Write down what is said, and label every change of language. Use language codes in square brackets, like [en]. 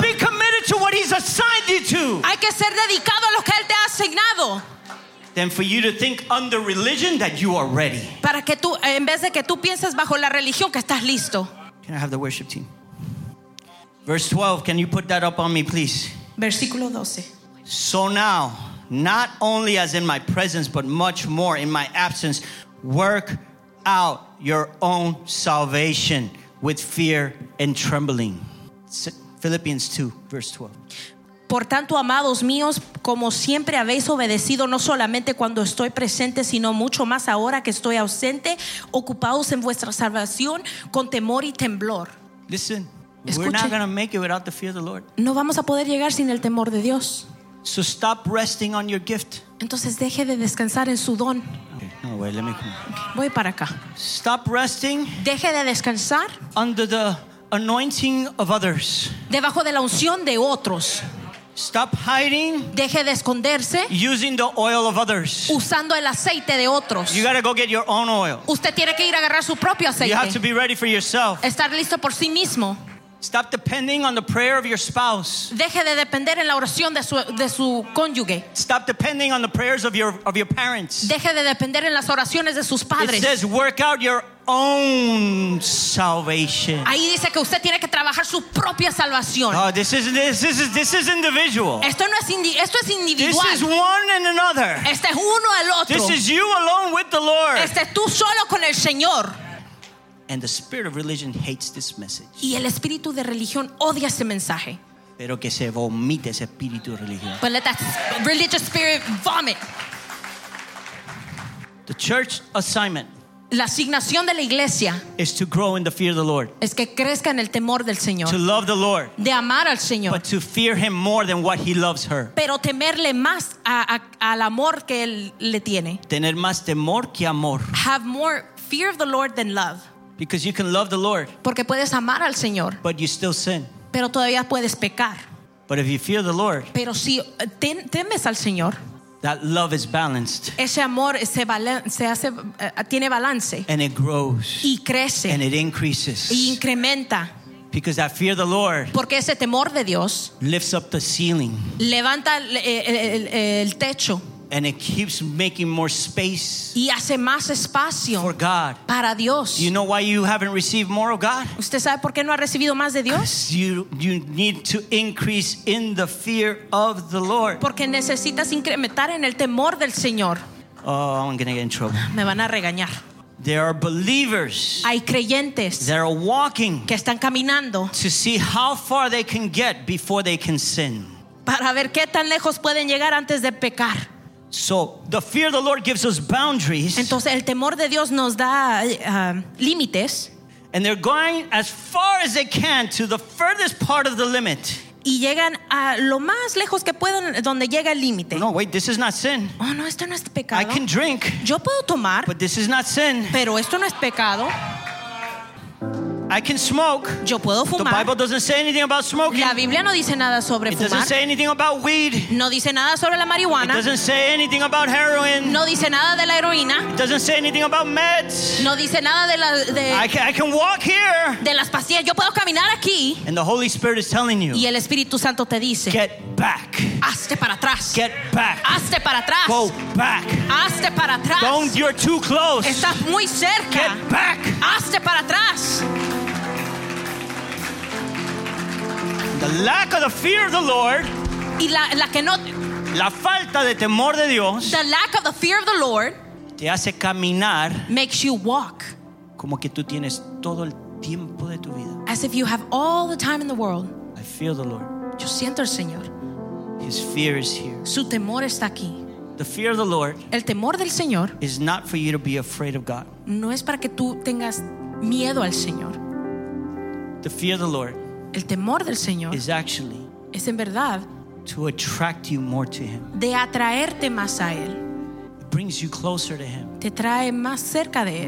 [en] Be committed to what he's assigned you to. [es] Hay que ser dedicado a lo que él te ha asignado. [en] Than for you to think under religion that you are ready. [es] Para que tú, en vez de que tú pienses bajo la religión que estás listo. [en] Can I have the worship team? Verse 12, can you put that up on me, please? [es] Versículo 12. [en] So now, not only as in my presence, but much more in my absence, work out your own salvation with fear and trembling. Philippians 2, verse 12. [es] Por tanto, amados míos, como siempre habéis obedecido, no solamente cuando estoy presente, sino mucho más ahora que estoy ausente, ocupaos en vuestra salvación con temor y temblor. [en] Listen. We're not going to make it without the fear of the Lord. [es] No vamos a poder llegar sin el temor de Dios. [en] So stop resting on your gift. [es] Entonces deje de descansar en su don. [en] Okay. No, wait, let me come. Okay. [es] Voy para acá. [en] Stop resting. [es] Deje de descansar. [en] Under the anointing of others. [es] Debajo de la unción de otros. [en] Stop hiding. [es] Deje de esconderse. [en] Using the oil of others. [es] Usando el aceite de otros. [en] You gotta go get your own oil. [es] Usted tiene que ir a agarrar su propio aceite. [en] You have to be ready for yourself. [es] Estar listo por sí mismo. [en] Stop depending on the prayer of your spouse. [es] Deje de depender en la oración de su cónyuge. [en] Stop depending on the prayers of your parents. [es] Deje de depender en las oraciones de sus padres. [en] It says work out your own salvation. [es] Ahí dice que usted tiene que trabajar su propia salvación. [en] Oh, this is individual. [es] Esto es individual. [en] This is one and another. [es] Este es uno al otro. [en] This is you alone with the Lord. [es] Este es tú solo con el Señor. [en] And the spirit of religion hates this message. [es] Y el espíritu de religión odia ese mensaje. Pero que se vomite ese espíritu de religión. [en] But let that religious spirit vomit. The church assignment. [es] La asignación de la iglesia [en] is to grow in the fear of the Lord. [es] Es que crezca en el temor del Señor. [en] To love the Lord. [es] De amar al Señor. [en] But to fear him more than what he loves her. [es] Pero temerle más al amor que él le tiene. Tener más temor que amor. [en] Have more fear of the Lord than love. Because you can love the Lord. [es] Porque puedes amar al Señor. [en] But you still sin. [es] Pero todavía puedes pecar. [en] But if you fear the Lord. [es] Pero si temes al Señor. [en] That love is balanced. [es] Ese amor tiene balance. [en] And it grows. [es] Y crece. [en] And it increases. [es] Y incrementa. [en] Because that fear of the Lord. [es] Porque ese temor de Dios. [en] Lifts up the ceiling. [es] Levanta el techo. [en] And it keeps making more space. [es] Y hace más espacio. [en] For God. [es] Para Dios. [en] You know why you haven't received more of God? [es] ¿Usted sabe por qué no ha recibido más de Dios? [en] You need to increase in the fear of the Lord. [es] Porque necesitas incrementar en el temor del Señor. [en] Oh, I'm going to get in trouble. [es] Me van a regañar. [en] There are believers. [es] Hay creyentes. [en] That are walking. [es] Que están caminando. [en] To see how far they can get before they can sin. [es] Para ver qué tan lejos pueden llegar antes de pecar. [en] So the fear of the Lord gives us boundaries. [es] Entonces el temor de Dios nos da límites. [en] And they're going as far as they can to the furthest part of the limit. [es] Y llegan a lo más lejos que pueden donde llega el límite. [en] No, wait, this is not sin. [es] Oh, no, esto no es pecado. [en] I can drink. [es] Yo puedo tomar. [en] But this is not sin. [es] Pero esto no es pecado. [en] I can smoke. [es] Yo puedo fumar. [en] The Bible doesn't say anything about smoking. [es] La Biblia no dice nada sobre [en] it [es] fumar. [en] Doesn't say anything about weed. [es] No dice nada sobre la marihuana. [en] It doesn't say anything about heroin. [es] No dice nada de la heroína. [en] It doesn't say anything about meds. [es] No dice nada de la [en] I can walk here. [es] De las pastillas. Yo puedo caminar aquí. [en] And the Holy Spirit is telling you. [es] Y el Espíritu Santo te dice. [en] Get back. [es] Hazte para atrás. [en] Get back. [es] Hazte para atrás. [en] Go back. [es] Hazte para atrás. [en] Don't, you're too close. [es] Estás muy cerca. [en] Get back. [es] Hazte para atrás. [en] The lack of the fear of the Lord. [es] Y la que no, la falta de temor de Dios. [en] The lack of the fear of the Lord. [es] Te hace caminar. [en] Makes you walk. [es] Como que tú tienes todo el tiempo de tu vida. [en] As if you have all the time in the world. I feel the Lord. [es] Yo siento al Señor. [en] His fear is here. [es] Su temor está aquí. [en] The fear of the Lord. [es] El temor del Señor. [en] Is not for you to be afraid of God. [es] No es para que tú tengas miedo al Señor. [en] The fear of the Lord. [es] El temor del Señor [en] is actually [es] es en verdad [en] to attract you more to him. [es] De atraerte más a él. [en] It brings you closer to him. [es] Te trae más cerca de él.